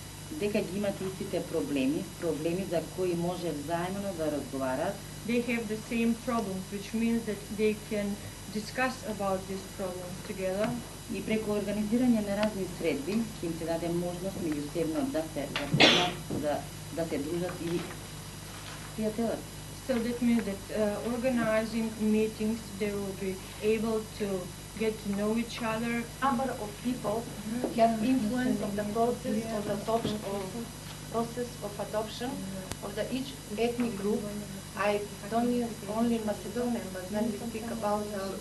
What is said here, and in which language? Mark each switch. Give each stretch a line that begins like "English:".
Macedonian: Дека ги имат истите проблеми за кои може взаимно да разговарат.
English: They have the same problems, which means that they can discuss about these problems together.
Macedonian: И преку организирање на разни средби, ќе им се даде можност меѓусебно да се запознат, да се дружат и пријателат.
English: So that means that organizing meetings, they will be able to get to know each other. Number of people can influence on the process of adoption of the each ethnic group. I don't mean only Macedonian, but when we speak about the